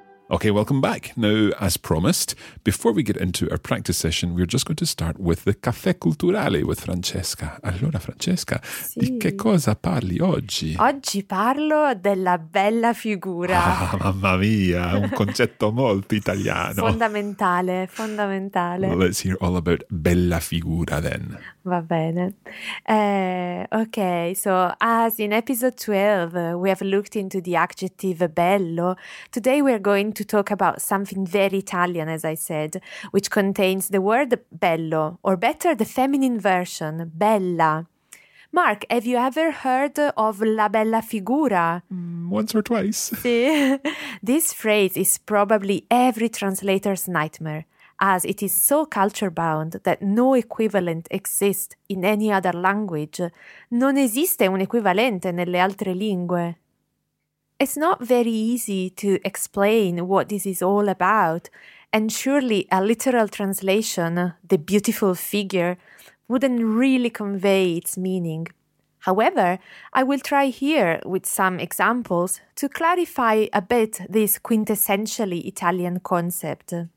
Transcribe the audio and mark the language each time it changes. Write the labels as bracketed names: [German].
[English] Okay, welcome back. Now, as promised, before we get into our practice session, we're just going to start with the caffè culturale with Francesca. [Italian] Allora, Francesca, sì. Di che cosa parli oggi? Oggi parlo della bella figura. Ah, mamma mia, un concetto molto italiano. Fondamentale, fondamentale. [English] Well, let's hear all about bella figura then. [Italian] Va bene. [English] Okay, so as in episode 12, we have looked into the adjective bello. Today we're going to talk about something very Italian, as I said, which contains the word bello, or better, the feminine version, bella. Mark, have you ever heard of la bella figura? Once or twice. This phrase is probably every translator's nightmare, as it is so culture-bound that no equivalent exists in any other language. [Italian] Non esiste un equivalente nelle altre lingue. [English] It's not very easy to explain what this is all about, and surely a literal translation, the beautiful figure, wouldn't really convey its meaning. However, I will try here with some examples to clarify a bit this quintessentially Italian concept.